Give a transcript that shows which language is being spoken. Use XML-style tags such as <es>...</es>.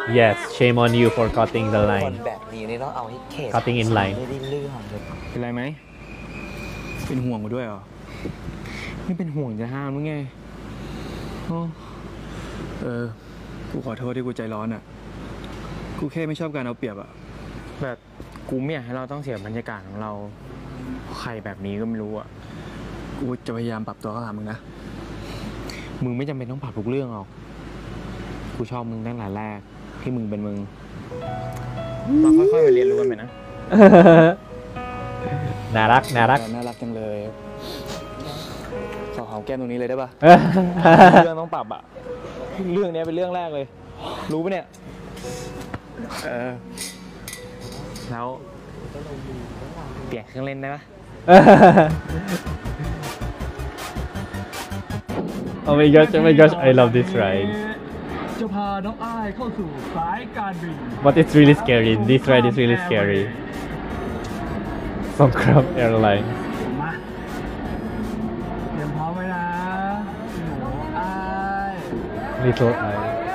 <en>yes shame on you for cutting the line</en> <th>คนแบบนี้นี่ต้องเอาให้เข็ด</th> <en>cutting in line</en> <th>ไม่ได้เรื่อง เป็นไรไหมเป็นห่วงกูด้วยเหรอไม่เป็นห่วงจะห้ามมึงไงกูขอโทษที่กูใจร้อนอ่ะกูแค่ไม่ชอบการเอาเปรียบอ่ะ แบบกูไม่อยากให้เราต้องเสียบรรยากาศของเราใครแบบนี้ก็ไม่รู้อ่ะ กูจะพยายามปรับตัวกับมึงนะ มึงไม่จำเป็นต้องปรับทุกเรื่องหรอกกูชอบมึงตั้งแต่แรกที่มึงเป็นมึง เราค่อยๆไปเรียนรู้กันไปนะ น่ารักน่ารัก น่ารักจังเลยแก้ตรงนี้เลยได้ป่ะเรื่องต้องปรับอ่ะเรื่องนี้เป็นเรื่องแรกเลยรู้ป่ะเนี่ยแล้วเปลี่ยนเครื่องเล่นได้ป่ะ</th> <en>Oh my gosh Oh my gosh I love this ride</en> <th>จะพาน้องอ้ายเข้าสู่สายการบิน</th> <en>But it's really scary This ride is really scary From Crab AirlineLittle eye.</en>